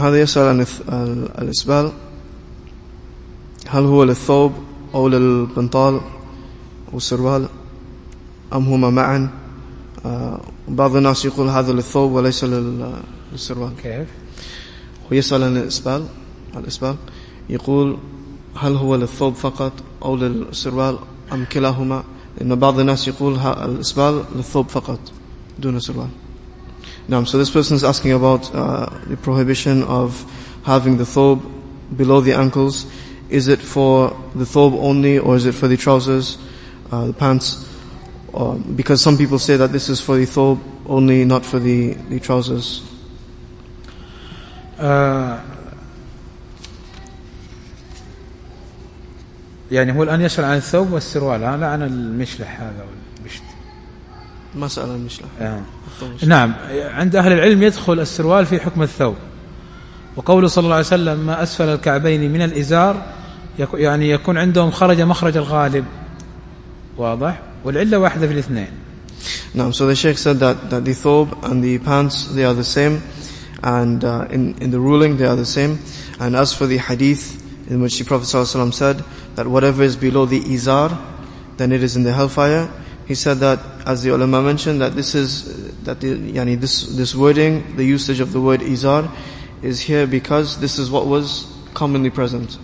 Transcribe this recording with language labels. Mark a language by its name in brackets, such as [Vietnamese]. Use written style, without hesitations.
[Arabic] هذا يسأل عن الإسبال، هل هو للثوب أو للبنطال والسروال أم هما معا؟ بعض الناس يقول هذا للثوب وليس السروال. كيف؟ هو يسأل عن الإسبال، الإسبال يقول هل هو للثوب فقط أو للسروال أم كلاهما؟ لأن بعض الناس يقول الإسبال للثوب فقط دون السروال. نعم. [English] So this person is asking about the prohibition of having the thobe below the ankles. Is it for the thobe only, or is it for the trousers, the pants? Because some people say that this is for the thobe only, not for the trousers. [Arabic] يعني هو الآن يسأل عن الثوب والسروال، لا عن المشلح هذا والبشت. مسألة المشلح. نعم. عند أهل العلم يدخل السروال في حكم الثوب، وقوله صلى الله عليه وسلم ما أسفل الكعبين من الإزار، يعني يكون عندهم خرج مخرج الغالب، واضح. والعلة واحدة في الاثنين. نعم. [English] So the sheikh said that the thobe and the pants they are the same, and in the ruling they are the same. And as for the hadith in which the Prophet ﷺ said that whatever is below the izar, then it is in the hellfire. He said that, as the ulama mentioned, that this is that the yani this wording, the usage of the word izar, is here because this is what was commonly present.